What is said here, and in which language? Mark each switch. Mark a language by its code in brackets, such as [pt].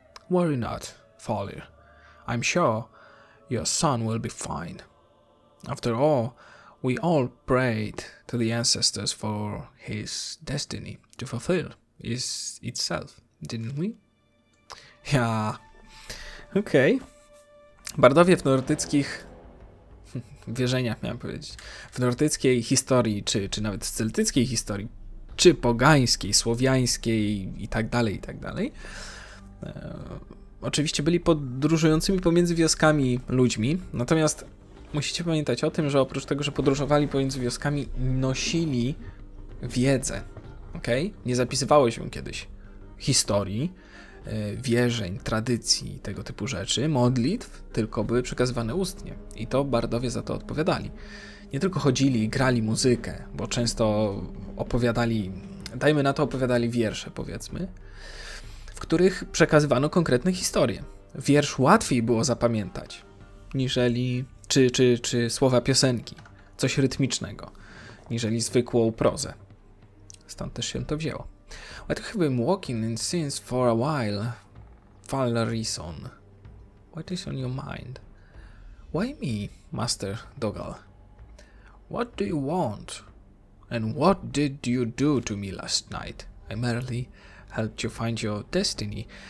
[en] Worry not, Falir. I'm sure your son will be fine. After all, we all prayed to the ancestors for his destiny to fulfill itself, didn't we? Yeah. Okay. [pl] Bardowie w nordyckich wierzeniach, miałem powiedzieć. W nordyckiej historii, czy nawet celtyckiej historii, czy pogańskiej, słowiańskiej i tak dalej, i tak dalej. Oczywiście byli podróżującymi pomiędzy wioskami ludźmi, natomiast musicie pamiętać o tym, że oprócz tego, że podróżowali pomiędzy wioskami, nosili wiedzę, okej? Okay? Nie zapisywało się kiedyś historii, wierzeń, tradycji, tego typu rzeczy, modlitw, tylko były przekazywane ustnie i to bardowie za to odpowiadali. Nie tylko chodzili i grali muzykę, bo często opowiadali, dajmy na to, opowiadali wiersze, powiedzmy, w których przekazywano konkretne historie. Wiersz łatwiej było zapamiętać, niżeli czy słowa piosenki, coś rytmicznego, niżeli zwykłą prozę. Stąd też się to wzięło. [en] What have been walking in scenes for a while, Falarison? What is on your mind? Why me, Master Dogal? What do you want? And what did you do to me last night? I merely helped you find your destiny.